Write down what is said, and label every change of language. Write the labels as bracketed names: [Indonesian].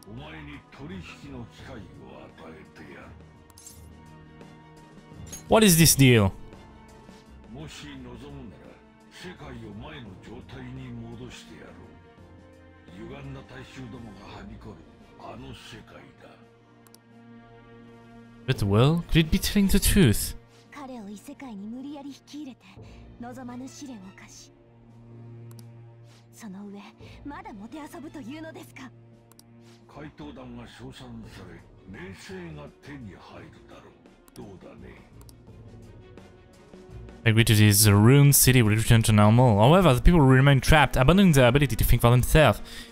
[Japanese] お前に取引の機会を与えてやる。 [English] What is this deal? [Japanese] もし望むなら、世界を前の状態に戻してやろう。歪んだ大衆どもがはびこるあの世界だ。 [English] But well, could it be telling the truth? [Japanese] 彼を異世界に無理やり引き入れて、望まぬ試練を課し。その上、まだもてあそぶというのですか。怪盗団が称賛され、名声が手に入るだろう。どうだね。 [English] Agreed to this ruined city will return to normal. However, the people remain trapped, abandoning their ability to think for themselves.